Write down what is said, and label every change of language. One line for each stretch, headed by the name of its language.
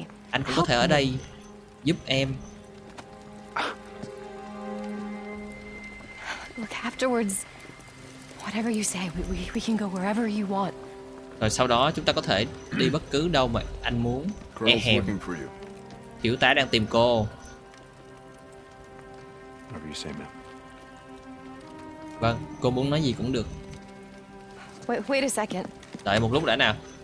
Vietnamese: Anh cũng có thể ở đây giúp em.
English: Look, afterwards, whatever you say, we can go wherever you want.
Vietnamese: Rồi sau đó chúng ta có thể đi bất cứ đâu mà anh muốn.
English: Girl's looking for you.
Vietnamese: Thiếu tá đang tìm cô.
English: Whatever you say, ma'am.
Vietnamese: Vâng, cô muốn nói gì cũng được.
English: Wait a second.
Vietnamese: Đợi một lúc đã nào.